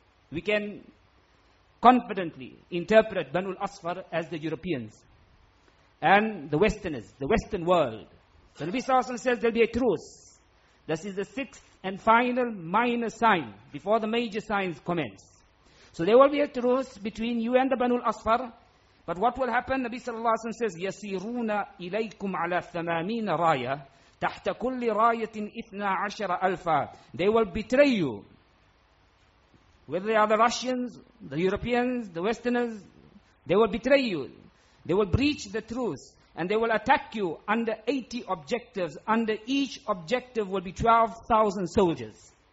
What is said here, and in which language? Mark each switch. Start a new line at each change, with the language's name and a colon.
English: We can confidently interpret Banu al-Asfar as the Europeans and the Westerners, the Western world. So Nabi Sallallahu Alaihi Wasallam says there will be a truce. This is the sixth and final minor sign before the major signs commence. So there will be a truce between you and the Banu al-Asfar. But what will happen?
Arabic: Nabi Sallallahu Alaihi Wasallam says, يَسِيرُونَ إِلَيْكُمْ عَلَى ثَمَامِينَ رَايَةٍ تَحْتَ كُلِّ رَايَةٍ إِثْنَا عَشَرَ أَلْفًا.
English: They will betray you. Whether they are the Russians, the Europeans, the Westerners, they will betray you. They will breach the truce. And they will attack you under 80 objectives. Under each objective will be 12,000 soldiers.